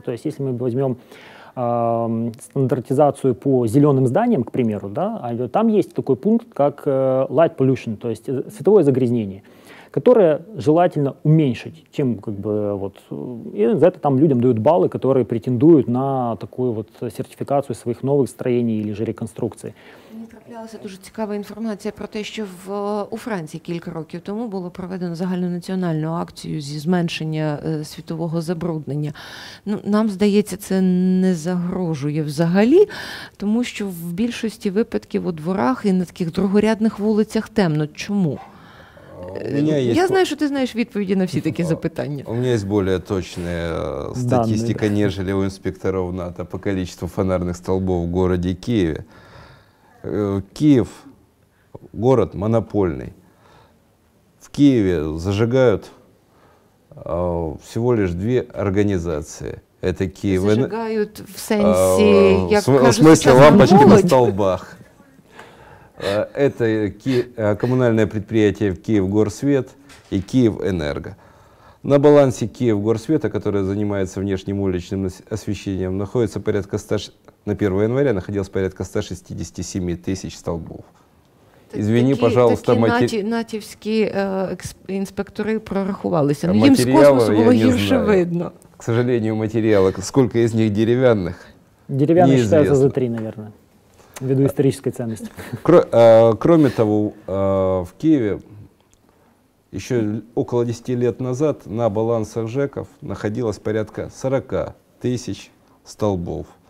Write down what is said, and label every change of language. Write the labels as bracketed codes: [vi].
[ru] То есть, если мы возьмем стандартизацию по зеленым зданиям, к примеру, да, там есть такой пункт, как light pollution, то есть световое загрязнение, которое желательно уменьшить, чем как бы вот, и за это там людям дают баллы, которые претендуют на такую вот сертификацию своих новых строений или же реконструкции. [uk] Трапилася дуже цікава інформація про те, що у Франції кілька років тому було проведено загальнонаціональну акцію зі зменшення світового забруднення. Ну, нам здається, це не загрожує взагалі, тому що в більшості випадків у дворах і на таких другорядних вулицях темно. Чому? Я знаю, що ти знаєш відповіді на всі такі запитання. У мене є більш точна статистика, ніж у інспекторів НАТО по кількості фонарних стовпів в місті Києві. [ru] Киев – город монопольный. В Киеве зажигают всего лишь две организации. Это Киев… Зажигают в сенсе, в смысле лампочки на столбах. Это коммунальное предприятие «Киевгорсвет» и «Киевэнерго». На балансе «Киевгорсвета», который занимается внешним уличным освещением, находится порядка 100… На 1 января находилось порядка 167 тысяч столбов. Извини, [uk] такі, [ru] пожалуйста, [uk] натівські інспектори прорахувалися. Ну, їм з космосу було гірше видно. [ru] К сожалению, материалы, сколько из них деревянных, деревянные считаются за три, наверное, ввиду исторической ценности. Кроме того, в Киеве еще около 10 лет назад на балансах ЖЭКов находилось порядка 40 тысяч столбов.